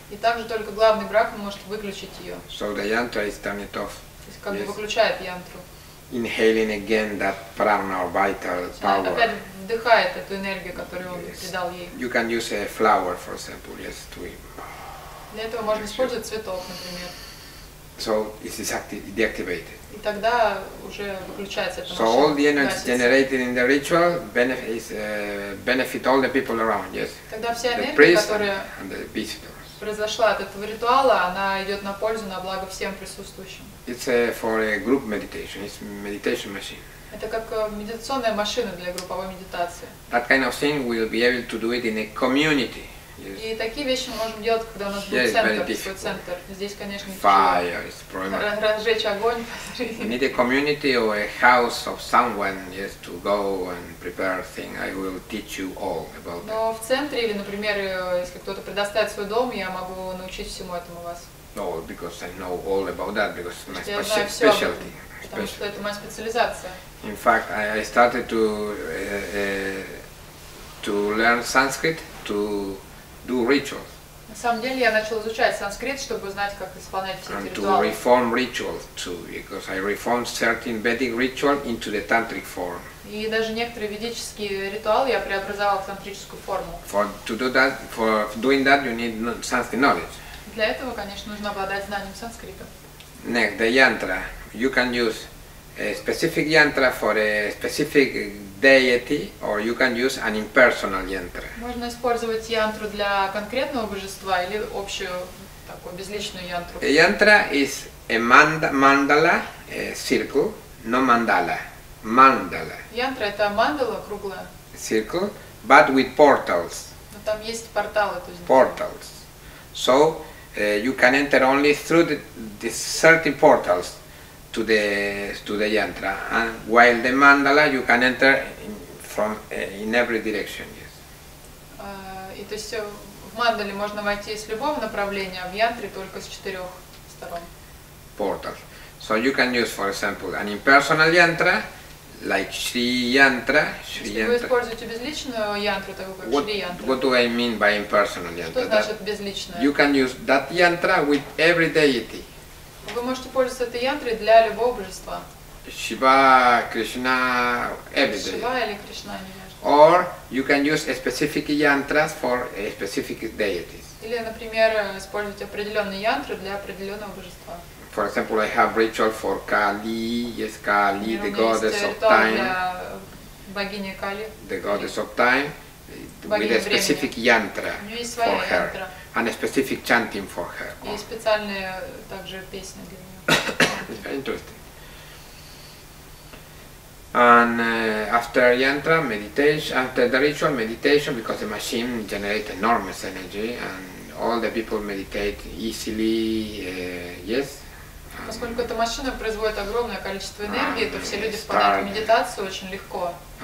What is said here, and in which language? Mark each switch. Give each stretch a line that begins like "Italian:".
Russian: И также только главный брахман может выключить ее.
English: So the yantra is turned it off.
Russian: То есть как бы выключает янтру.
English: Inhaling again that prana or vital power.
Russian: Опять вдыхает эту энергию, которую он передал ей.
English: You can use a flower, for example, yes, to him.
Russian: Для этого можно использовать цветок, например.
English: So it is deactivated.
Russian: И тогда уже выключается эта
English: машина. So all the energy generated in the ritual benefit all the people around, yes.
Russian: Тогда вся энергия, которая произошла от этого ритуала, она идет на пользу, на благо всем присутствующим.
English: It's for a group meditation. It's meditation machine.
Russian: Это как медитационная машина для групповой медитации.
English: That kind of thing we'll be able to do it in a community.
Russian: И такие вещи мы можем делать, когда у нас будет центр. Здесь, конечно,
English: fire is problem.
Russian: Разжечь огонь.
English: We need a community or a house of someone, yes, to go and prepare things. I will teach you all about that.
Russian: Но в центре или, например, если кто-то предоставит свой дом, я могу научить всему этому вас.
English: No, because I know all about that, because it's my specialty.
Russian: Потому что это моя специализация.
English: In fact, I started to learn Sanskrit to do rituals.
Russian: На самом деле я начал изучать санскрит, чтобы знать, как исполнять все эти
English: and
Russian: ритуалы.
English: To reform rituals too, because I reformed certain Vedic ritual into the tantric form.
Russian: И даже некоторые ведические ритуалы я преобразовал в тантрическую форму.
English: For doing that, you need Sanskrit knowledge.
Russian: Для этого, конечно, нужно обладать знанием санскрита.
English: Next, the yantra. You can use a specific yantra for a specific deity, or you can use an impersonal yantra.
Russian: Можно использовать янтру для конкретного божества или общую такую безличную янтру.
English: A yantra is a mandala, a circle, no mandala, mandala.
Russian: Янтра это мандала круглая.
English: Circle, but with portals.
Russian: Но там есть порталы, то есть.
English: Portals. So you can enter only through the certain portals to the yantra, and while the mandala you can enter in every direction, yes.
Russian: И то есть в мандале можно войти из любого направления, а в янтре только с 4 сторон.
English: Portals. So you can use, for example, an impersonal yantra, like Shri Yantra.
Russian: Если вы используете безличную янтру, такую как Shri
English: Yantra. What do I mean by impersonal yantra?
Russian: Что значит безличная?
English: You can use that yantra with every deity.
Russian: Вы можете пользоваться этой янтрой для любого божества.
English: Шива, Кришна, everything.
Russian: Шива или Кришна, не важно.
English: Or you can use a specific yantras for a specific deities.
Russian: Или, например, использовать определенные янтры для определенного божества.
English: For example, I have ritual for Kali, yes, Kali, the goddess of time.
Russian: Богиня Кали.
English: The goddess of time. With a specific yantra for her. And a specific chanting for her.
Russian: И специальные также песни для нее.
English: Interesting. And after yantra, meditation, after the ritual, meditation, because the machine generates enormous energy and all the people meditate easily, yes?
Russian: Поскольку эта машина производит огромное количество энергии, то все люди впадают в медитацию очень легко.